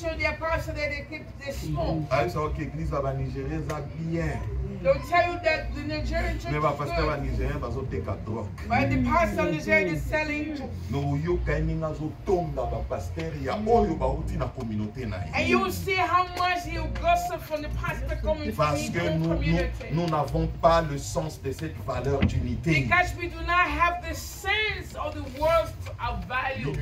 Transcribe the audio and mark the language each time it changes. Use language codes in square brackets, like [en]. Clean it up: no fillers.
[en] They'll tell you that the Nigerian church is good. But the pastor Nigerian is selling. No, you can in as a tomb of a pastor, you are all about in a. And you will see how much you gossip from the pastor community. [fr] Parce que nous n'avons pas le sens de cette valeur d'unité. [en] Because we do not have the sense of the worth of value.